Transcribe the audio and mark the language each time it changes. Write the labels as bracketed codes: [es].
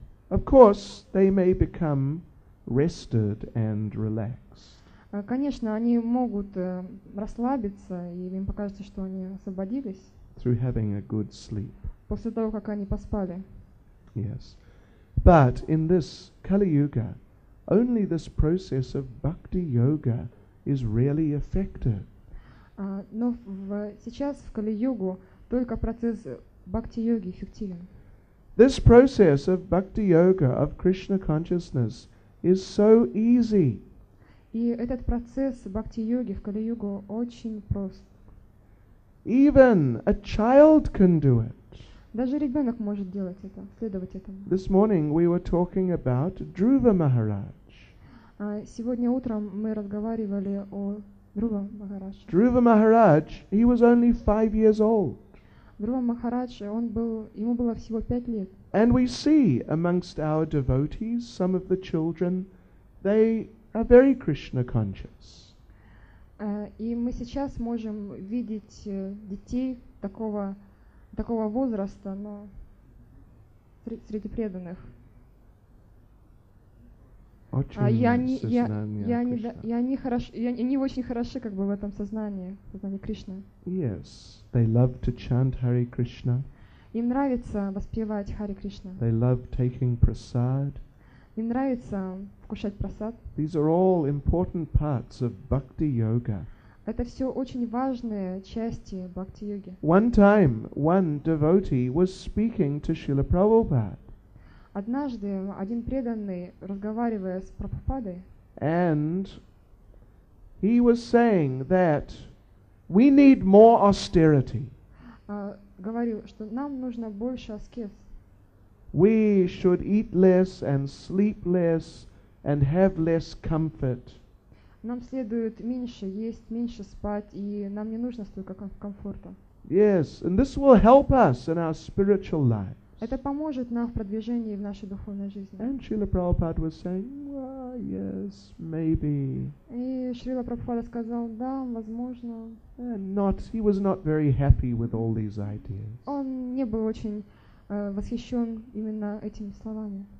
[en] Of course, they may become rested and relaxed. [ru] Конечно, они могут расслабиться, и им покажется, что они освободились. [en] Through having a good sleep. [ru] После того, как они поспали. [en] Yes. But in this Kali Yuga, only this process of Bhakti Yoga is really effective. [ru] Но сейчас в Кали-йогу только процесс бхакти-йоги эффективен. [en] This process of bhakti-yoga, of Krishna consciousness, is so easy. [ru] И этот процесс бхакти-йоги в Кали-йогу очень прост. [en] Even a child can do it. [ru] Даже ребенок может делать это, следовать этому. [en] This morning we were talking about Dhruva Maharaj. [ru] Сегодня утром мы разговаривали о Друва Махарадж. [en] Друва Махарадж, he was only 5 years old. [ru] Друва Махарадж, ему было всего 5 лет. [en] And we see amongst our devotees, some of the children, they are very Krishna conscious. [ru] И мы сейчас можем видеть детей такого возраста, но среди преданных. Они очень хороши как бы в этом сознании Кришны. [en] Yes, they love to chant Hare Krishna. [ru] Им нравится воспевать Хари Кришна. [en] They love taking prasad. [ru] Им нравится вкушать прасад. [en] These are all important parts of bhakti yoga. [ru] Это все очень важные части бхакти йоги. [en] One time, one devotee was speaking to Srila Prabhupada. [ru] Однажды один преданный разговаривая с Прабхупадой. [en] And he was saying that we need more austerity. [ru] Говорил, что нам нужно больше аскез. [en] We should eat less and sleep less and have less comfort. [ru] Нам следует меньше есть, меньше спать, и нам не нужно столько комфорта. [en] Yes, and this will help us in our spiritual life. [ru] Это поможет нам в продвижении в нашей духовной жизни. [en] And Srila Prabhupada was saying, well, yes, maybe. [ru] И Шрила Прабхупада сказал, да, возможно. [en] He was not very happy with all these ideas. [ru] Он не был очень восхищен именно этими словами.